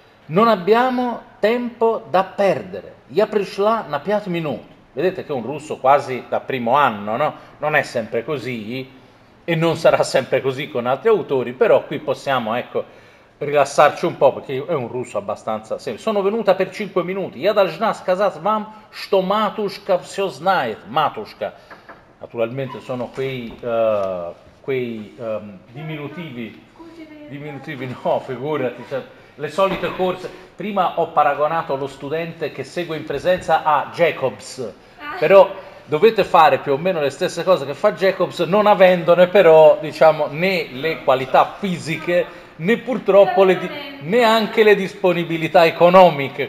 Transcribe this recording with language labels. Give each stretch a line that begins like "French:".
Italian: Non abbiamo tempo da perdere.
Russian: Я пришла на 5 минут.
Italian: Vedete che è un russo quasi da primo anno, no? Non è sempre così e non sarà sempre così con altri autori, però qui possiamo, ecco, rilassarci un po', perché è un russo abbastanza semplice. Sono venuta per 5 minuti.
Russian: Я должна сказать вам, что матушка все знает. Матушка.
Italian: Naturalmente sono quei diminutivi. Diminutivi, no, figurati. Cioè, le solite corse. Prima ho paragonato lo studente che segue in presenza a Jacobs. Però dovete fare più o meno le stesse cose che fa Jacobs, non avendone però, diciamo, né le qualità fisiche, né purtroppo neanche le disponibilità economiche.